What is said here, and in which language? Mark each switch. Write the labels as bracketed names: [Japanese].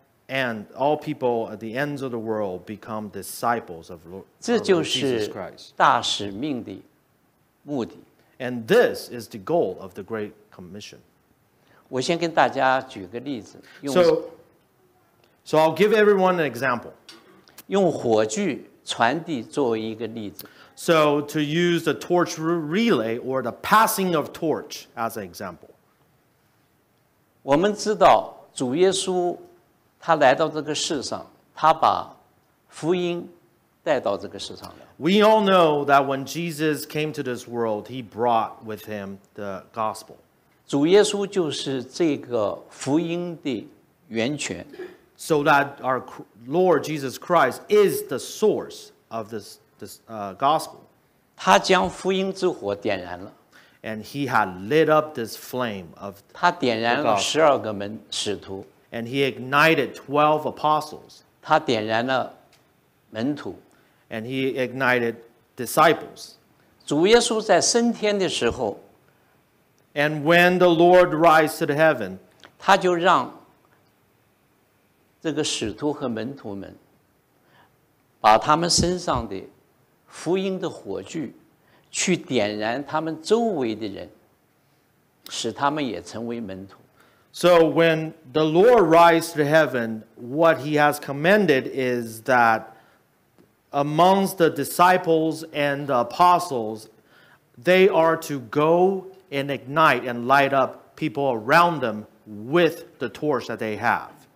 [English] And all people at the ends of the world become disciples of Lord Jesus Christ. [Chinese] 这就是大使命的目的。 [English] And this is the goal of the Great Commission. [Chinese] 我先跟大家举个例子。 [English] So I'll give everyone an example. [Chinese] 用火炬传递作为一个例子。 [English] So to use the torch relay or the passing of torch as an example. [Chinese] 我们知道主耶稣 他来到这个世上，他把福音带到这个世上了。 [English] We all know that when Jesus came to this world, he brought with him the gospel. [Chinese] 主耶稣就是这个福音的源泉。 [English] So that our Lord Jesus Christ is the source of this gospel. [Chinese] 他将福音之火点燃了。 [English] And he had lit up this flame of the gospel. [Chinese] 他点燃了12个门使徒。 [English] And he ignited 12 apostles. [Chinese] 他点燃了门徒。 [English] And he ignited disciples. [Chinese] 主耶稣在升天的时候, [English] And when the Lord rise to the heaven, [Chinese] 他就让这个使徒和门徒们把他们身上的福音的火炬去点燃他们周围的人,使他们也成为门徒。 [English] So when the Lord rises to heaven, what he has commanded is that amongst the disciples and the apostles, they are to go and ignite and light up people around them with the torch that they have.